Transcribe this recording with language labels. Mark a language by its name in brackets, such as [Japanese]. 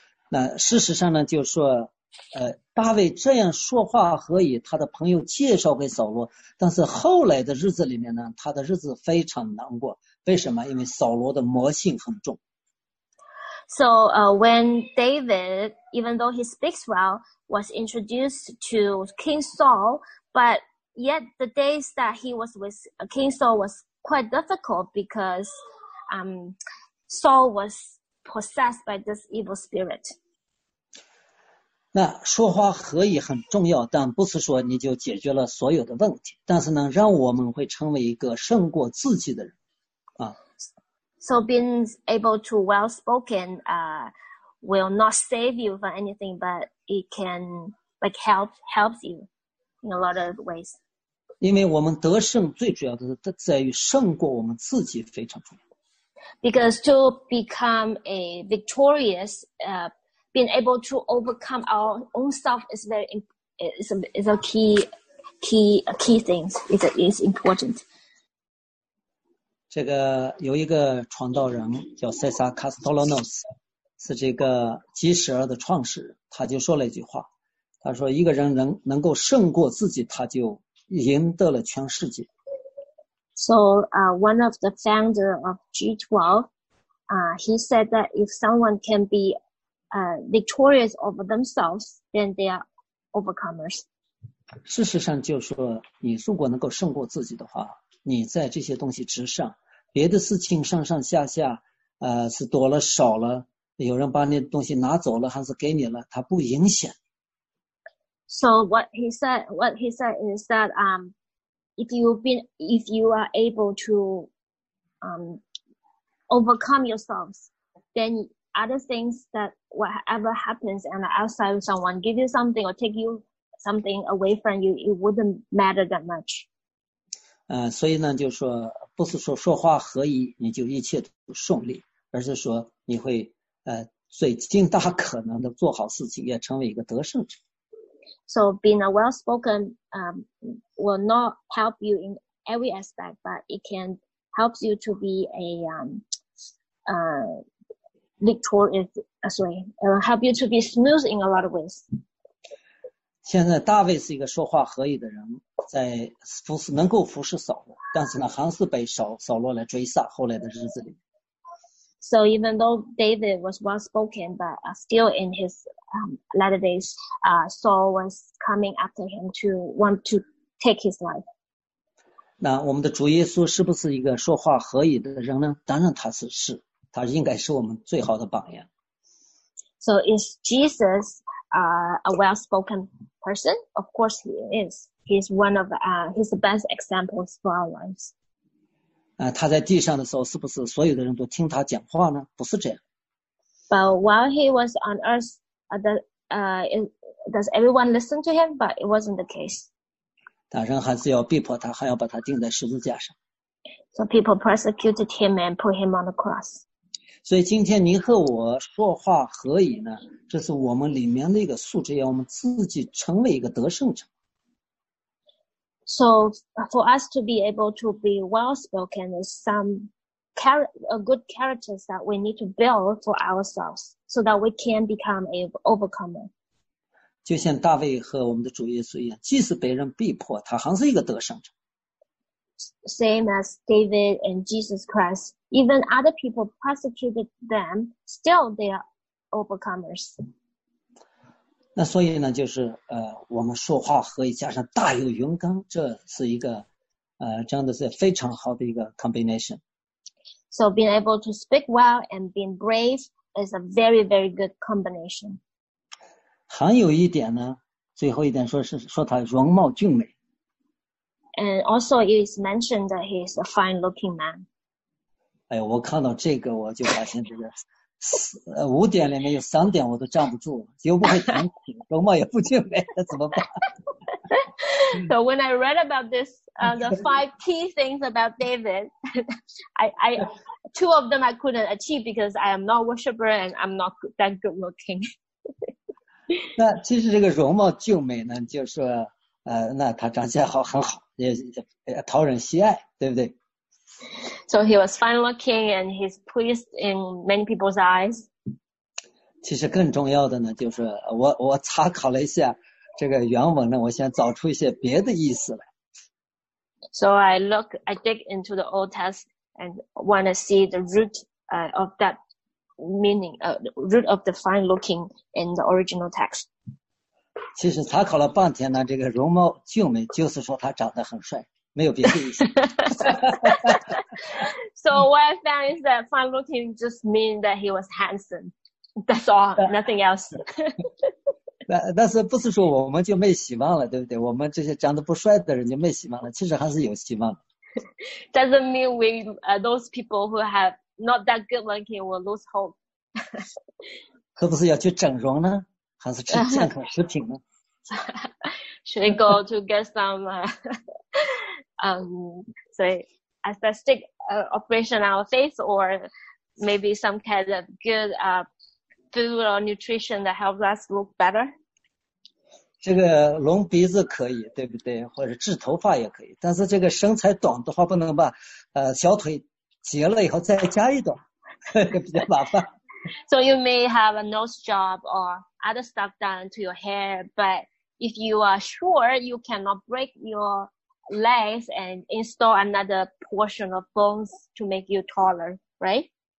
[Chinese] 那事实上呢，就是说，大卫这样说话何以？他的朋友介绍给扫罗，但是后来的日子里面呢，他的日子非常难过。为什么？因为扫罗的魔性很重。 [English] So, when David, even though he speaks well, was introduced to King Saul, but yet the days that he was with King Saul was quite difficult because, Saul was possessed by this evil spirit. [Chinese] 那说话何以很重要，但不是说你就解决了所有的问题。但是呢，让我们会成为一个胜过自己的人。 [English] So being able to well spoken will not save you from anything, but it can like helps you in a lot of ways. 因为我们得胜最主要的是在于胜过我们自己非常重要。 Because to become a victorious, being able to overcome our own self is very is a key thing. It's important. [Chinese] 这个有一个传道人叫塞萨卡斯托罗诺斯，是这个基十二的创始人。他就说了一句话，他说一个人能够胜过自己，他就赢得了全世界。 [English] So, one of the founder of G12, he said that if someone can be, victorious over themselves, then they are overcomers. [Chinese] 事实上就是说，你如果能够胜过自己的话，你在这些东西之上，别的事情上上下下，是多了少了，有人把你的东西拿走了还是给你了，它不影响。 [English] So what he said is that if you are able to overcome yourselves, then other things that whatever happens and outside of someone give you something or take you something away from you, it wouldn't matter that much. [Chinese] 所以呢，就是说，不是说说话合宜你就一切都顺利，而是说你会最尽大可能的做好事情，也成为一个得胜者。 [English] So being a well-spoken will not help you in every aspect, but it can help you to be a victorious. Help you to be smooth in a lot of ways. [Chinese] 现在大卫是一个说话合宜的人，在服侍能够服侍扫罗，但是呢，还是被扫罗来追杀。后来的日子里 [English] ，So even though David was well spoken, but still in his latter days, Saul was coming after him to want to take his life. [Chinese] 那我们的主耶稣是不是一个说话合宜的人呢？当然他是，他应该是我们最好的榜样。 [English] So is Jesus a well-spoken person? Of course he is. He's one of he's the best examples for our lives. [Chinese] 他在地上的时候是不是所有的人都听他讲话呢？不是这样。 [English] But while he was on earth, does everyone listen to him? But it wasn't the case. [Chinese] 但人还是要逼迫他，还要把他钉在十字架上。 [English] So people persecuted him and put him on the cross. [Chinese] 所以今天您和我说话何以呢？这是我们里面的一个素质，要我们自己成为一个得胜者。 [English] So for us to be able to be well-spoken is some good characters that we need to build for ourselves so that we can become an overcomer. [Chinese] 就像大卫和我们的主耶稣一样，即使被人逼迫，他还是一个得胜者。 [English] Same as David and Jesus Christ. Even other people persecuted them, still they are overcomers. [Chinese] 那所以呢，就是我们说话可以加上大有云刚，这是一个这样的是非常好的一个 combination。 [English] So being able to speak well and being brave is a very very good combination. [Chinese] 还有一点呢，最后一点说是说他容貌俊美。 [English] And also it is mentioned that he is a fine looking man. [Chinese] 哎，我看到这个我就发现这个。五点里面有三点我都站不住，又不会弹琴，容貌也不俊美，那怎么办 [English] ？So when I read about this, the five key things about David, I two of them I couldn't achieve because I am not worshipper and I'm not that good looking. [Chinese] 那其实这个容貌俊美呢，就是那他长相好，很好，也讨人喜爱，对不对？ [English] So he was fine looking and he's pleased in many people's eyes. [Chinese] 其实更重要的呢，就是我查考了一下这个原文呢，我想找出一些别的意思来。 [English] So I dig into the Old Test and want to see the root of that meaning, root of the fine looking in the original text. [Chinese] 其实查考了半天呢，这个容貌俊美就是说他长得很帅。没有别的意思。 [English] So what I found is that fine looking just means that he was handsome. That's all, nothing else. [Chinese] 但是不是说我们就没希望了，对不对？我们这些长得不帅的人就没希望了，其实还是有希望的。 [English] Doesn't mean we, those people who have not that good looking will lose hope. [Chinese] 可不是要去整容呢？还是吃健康食品呢？ [English] Should we go to get some... so aesthetic operation on our face, or maybe some kind of good food or nutrition that helps us look better. [Chinese] 这个隆鼻子可以，对不对？或者治头发也可以。但是这个身材短的话，不能把小腿截了以后再加一段，比较麻烦。 [English] So you may have a nose job or other stuff done to your hair, but if you are sure you cannot break your legs and install another portion of bones to make you taller, right?